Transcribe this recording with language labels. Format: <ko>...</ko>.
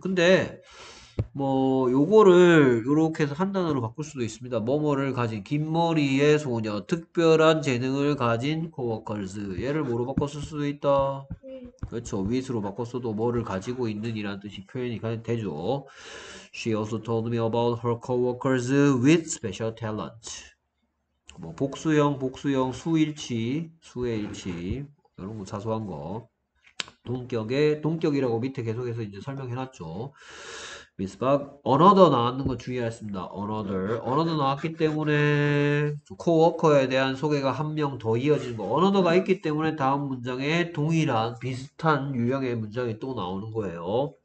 <ko>근데 뭐 요거를 요렇게 해서 한 단어로 바꿀 수도 있습니다. 뭐뭐를 가진 긴 머리의 소녀, 특별한 재능을 가진 coworkers. 얘를 뭐로 바꿨을 수도 있다. 그렇죠. with로 바꿨어도 뭐를 가지고 있는 이란 뜻이 표현이 되죠.</ko> <en>She also told me about her coworkers with special talent.</en> <ko>뭐 복수형 수일치 수의 일치 이런 거 사소한 거 동격이라고 밑에 계속해서 이제 설명해 놨죠. 미스 박 어너더 나왔는 거 주의하였습니다. 어너더 나왔기 때문에 코워커에 대한 소개가 한명더 이어지는 거 어너더가 있기 때문에 다음 문장에 동일한 비슷한 유형의 문장이 또 나오는 거예요.</ko>